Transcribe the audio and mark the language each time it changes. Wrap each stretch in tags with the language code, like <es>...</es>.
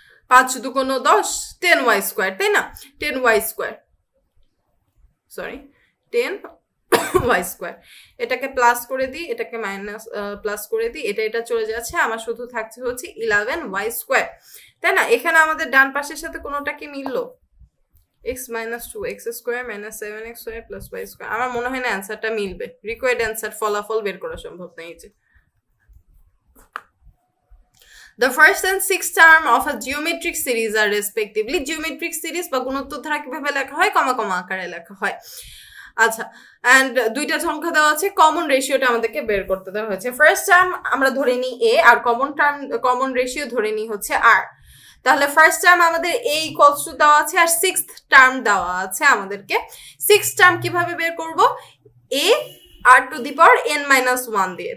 <bn>5 × 2 = 10, 10y square, তাই না? 10y square, sorry 10y square, এটাকে প্লাস করে দিই, এটাকে মাইনাস প্লাস করে দিই, এটা এটা চলে যাচ্ছে, আমার শুধু থাকছে হচ্ছে 11y স্কোয়ার, তাই না? এখানে আমাদের ডান পাশের সাথে কোনোটা কি মিললো? x minus 2x square minus 7xy plus y square. আমার মনে হয় না অ্যান্সারটা মিলবে, রিকোয়ার্ড অ্যান্সার ফলাফল বের করা সম্ভব নেই। যে</bn> <en>The first and sixth term of a geometric series are respectively geometric series</en> <bn>বা গুণোত্তর ধারা কিভাবে লেখা হয়? কমা কমা আকারে লেখা হয়। আচ্ছা, অ্যান্ড দুইটা সংখ্যা দেওয়া আছে, কমন রেশিওটা আমাদেরকে বের করতে দেওয়া হয়েছে। ফার্স্ট টার্ম আমরা ধরে নিই এ, আর কমন টার্ম কমন রেশিও ধরে নিই হচ্ছে আর। তাহলে ফার্স্ট টার্ম আমাদের এ ইকুয়ালস টু দেওয়া আছে, আর সিক্সথ টার্ম দেওয়া আছে আমাদেরকে। সিক্সথ টার্ম কিভাবে বের করব? এ আর to the power N minus one দিয়ে।</bn>